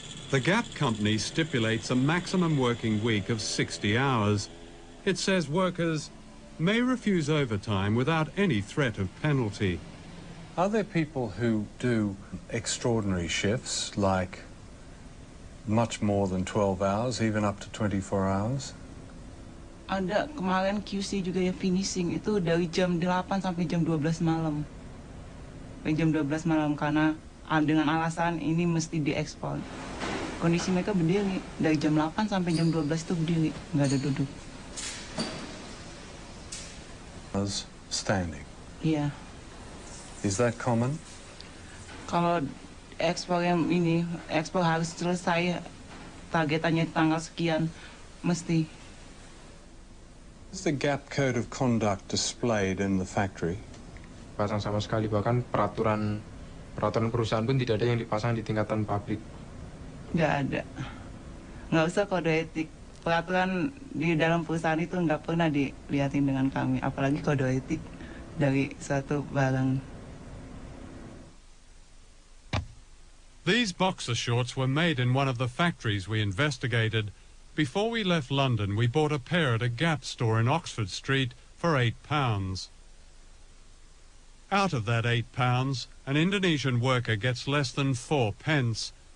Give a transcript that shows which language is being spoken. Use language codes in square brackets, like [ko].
[en] The Gap company stipulates a maximum working week of 60 hours. It says workers may refuse overtime without any threat of penalty. Are there people who do extraordinary shifts, like much more than 12 hours, even up to 24 hours? [id] Ada kemarin QC juga yang finishing itu dari jam 8 sampai jam 12 malam. Sampai jam 12 malam karena dengan alasan ini mesti diekspor. Kondisi mereka berdiri dari jam 8 sampai jam 12 itu berdiri, enggak ada duduk. [en] Was standing. Yeah. Is that common? [id] Kalau ekspor yang ini, ekspor harus selesai targetannya tanggal sekian, mesti. [en] Is the Gap code of conduct displayed in the factory? [id] Pasang sama sekali, bahkan peraturan perusahaan pun tidak ada yang dipasang di tingkatan pabrik. Nggak ada. Nggak usah kode etik. Peraturan di dalam perusahaan itu nggak pernah dilihatin dengan kami, apalagi kode etik dari suatu barang. [en] These boxer shorts were made in one of the factories we investigated. Before we left London, we bought a pair at a Gap store in Oxford Street for £8. Out of that £8, an Indonesian worker gets less than 4 pence.